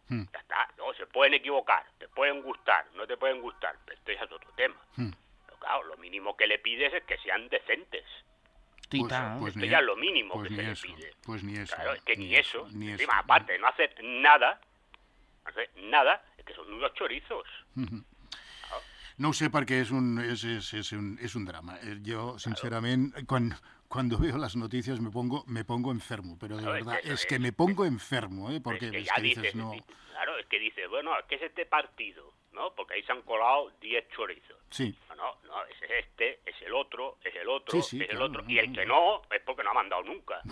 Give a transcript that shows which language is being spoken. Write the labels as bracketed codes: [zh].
[es] Ya está, no, se pueden equivocar, te pueden gustar, no te pueden gustar, pero esto ya es otro tema. Pero claro, lo mínimo que le pides es que sean decentes. Tita, pues esto ya es lo mínimo pues que se eso, le pide. Pues ni eso. Claro, es que ni eso. Ni eso. Encima, aparte, no hacer nada, no hacer nada, es que son unos chorizos. [ca] No ho sé, perquè és un drama. Jo, sincerament, [es] cuando veo las noticias me pongo enfermo, pero de verdad, es que me pongo enfermo, ¿eh? Porque es que dices, no... Claro, es que dices, bueno, ¿qué es este partido? ¿No? Porque ahí se han colado 10 chorizos. Sí. No, es este, es el otro, sí, sí, es claro, el otro. Y el que no, es porque no ha mandado nunca.